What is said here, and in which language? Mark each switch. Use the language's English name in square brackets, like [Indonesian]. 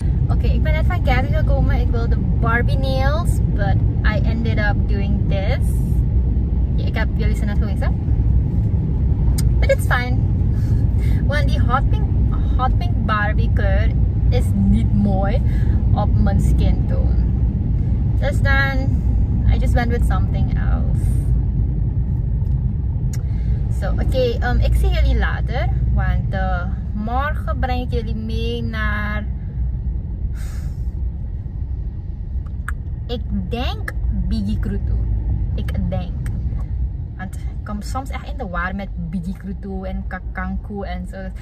[Dutch] Oké, ik ben net van Gabby gekomen. Ik wil de Barbie nails, [English] but I ended up doing this. [Dutch] Ik heb jullie ze net gewezen. [English] But it's fine. [Dutch] Want die hot pink Barbie kleur is niet mooi op mijn skin tone. Dus dan, [English] I just went with something else. [Dutch] Okay, ik zie jullie later, want morgen breng ik jullie mee naar, ik denk, Bigi Krutu. Ik denk. Want ik kom soms echt in de war met Bigi Krutu en Kakanku en zo.